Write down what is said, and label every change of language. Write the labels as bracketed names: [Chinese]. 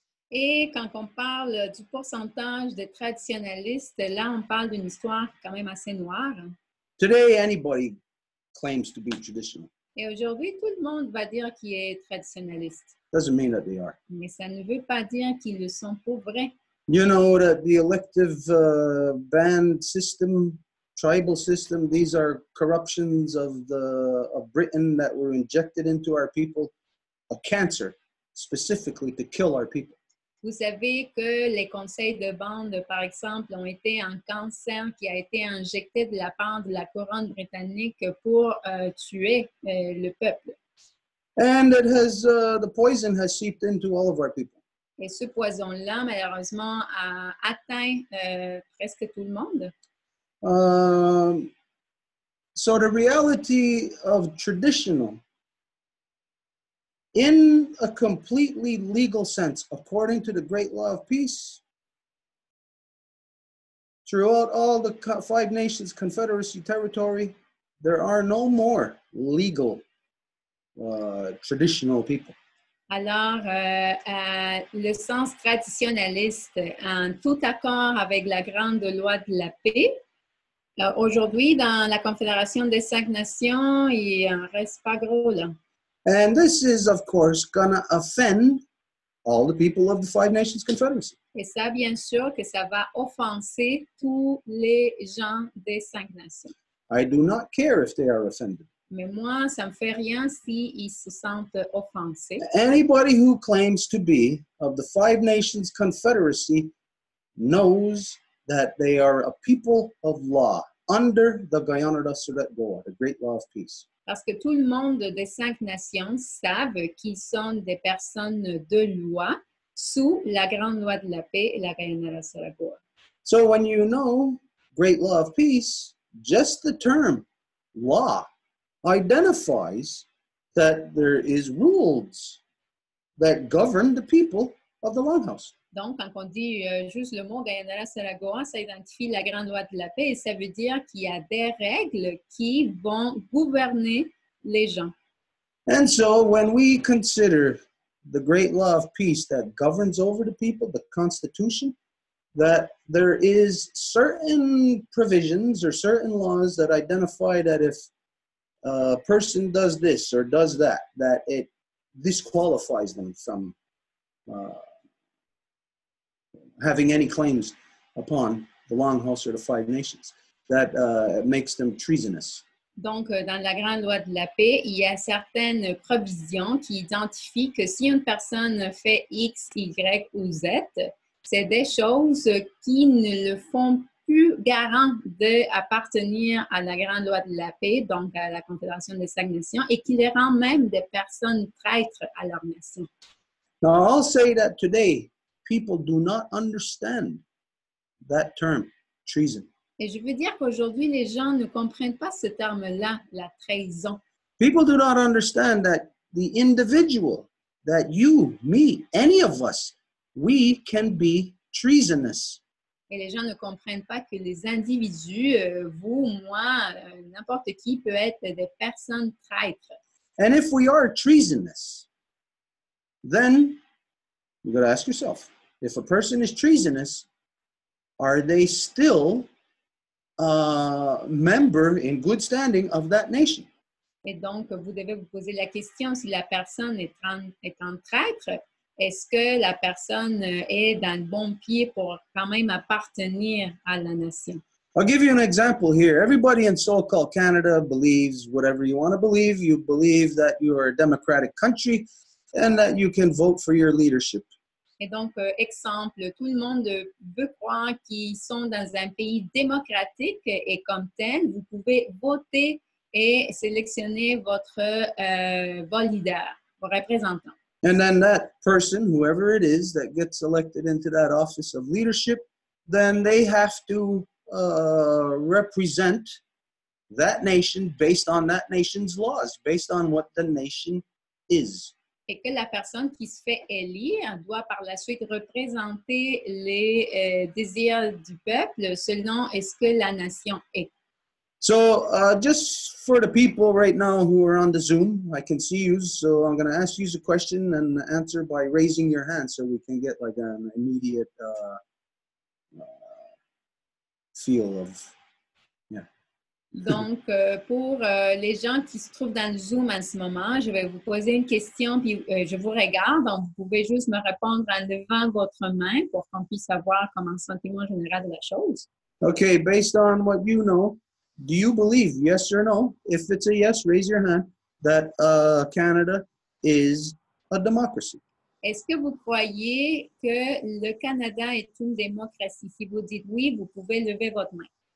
[French] Et quand on parle du pourcentage de traditionalistes, là, on parle d'une histoire quand même assez noire. [English] Today, anybody claims to be traditional. [French] Et aujourd'hui, tout le monde va dire qu'il est traditionaliste. [English] Doesn't mean that they are. [French] Mais ça ne veut pas dire qu'ils le sont pour vrai. [English] You know that the elective band system, tribal system, these are corruptions of Britain that were injected into our people, a cancer, specifically to kill our people. [French] Vous savez que les conseils de bande, par exemple, ont été un cancer qui a été injecté de la part de la couronne britannique pour tuer le peuple. [English] And it has, the poison has seeped into all of our people. [French] Et ce poison-là, malheureusement, a atteint presque tout le monde. [English] So the reality of traditional in a completely legal sense, according to the great law of peace, throughout all the five nations confederacy territory, there are no more legal traditional people. [French] Alors, le sens traditionnaliste, en tout accord avec la grande loi de la paix, aujourd'hui, dans la confédération des cinq nations, il en reste pas gros là. [English] And this is, of course, going to offend all the people of the Five Nations Confederacy. [French] Et ça, bien sûr, que ça va offenser tous les gens des cinq nations. [English] I do not care if they are offended. [French] Mais moi, ça me fait rien s'ils se sentent offensés. [English] Anybody who claims to be of the Five Nations Confederacy knows that they are a people of law under the Guyanada Surat Goa, the great law of peace. [French] Parce que tout le monde des cinq nations savent qu'ils sont des personnes de loi sous la grande loi de la paix et la Guyanada Surat Goa. [English] So when you know great law of peace, just the term law identifies that there is rules that govern the people of the longhouse. [French] Donc, quand on dit juste le mot Guyanada Surat Goa, ça identifie la grande loi de la paix et ça veut dire qu'il y a des règles qui vont gouverner les gens. [English] And so, when we consider the great law of peace that governs over the people, the Constitution, that there is certain provisions or certain laws that identify that if a person does this or does that, that it disqualifies them from having any claims upon the Longhouse or the Five Nations, that makes them treasonous. [French] Donc, dans la grande loi de la paix, il y a certaines provisions qui identifient que si une personne fait X, Y ou Z, c'est des choses qui ne le font plus garant d'appartenir à la grande loi de la paix, donc à la Confédération des cinq nations, et qui les rend même des personnes traîtres à leur nation. [English] Now, I'll say that today, people do not understand that term, treason. [French] Et je veux dire qu'aujourd'hui, les gens ne comprennent pas ce terme-là, la trahison. [English] People do not understand that the individual, that you, me, any of us, we can be treasonous. [French] Et les gens ne comprennent pas que les individus, vous, moi, n'importe qui, peut être des personnes traîtres. [English] And if we are treasonous, then you got to ask yourself, if a person is treasonous, are they still a member in good standing of that nation? [French] Et donc, vous devez vous poser la question, si la personne est en traître, est-ce que la personne est dans le bon pied pour quand même appartenir à la nation? [English] I'll give you an example here. Everybody in so-called Canada believes whatever you want to believe. You believe that you are a democratic country and that you can vote for your leadership. [French] Et donc, exemple, tout le monde veut croire qu'ils sont dans un pays démocratique et comme tel, vous pouvez voter et sélectionner votre leader, votre représentant. [English] And then that person, whoever it is, that gets elected into that office of leadership, then they have to represent that nation based on that nation's laws, based on what the nation is. [French] Et que la personne qui se fait élire doit par la suite représenter les désirs du peuple selon est-ce que la nation est. [English] So, just for the people right now who are on the Zoom, I can see you. So, I'm going to ask you a question and answer by raising your hand so we can get like an immediate feel of. [French] Donc, pour les gens qui se trouvent dans le Zoom en ce moment, je vais vous poser une question, puis je vous regarde. Donc, vous pouvez juste me répondre en levant votre main pour qu'on puisse savoir comment sentiment général de la chose. [English] OK. Based on what you know, do you believe, yes or no, if it's a yes, raise your hand, that Canada is a democracy? [French] Est-ce que vous croyez que le Canada est une démocratie? Si vous dites oui, vous pouvez lever votre main.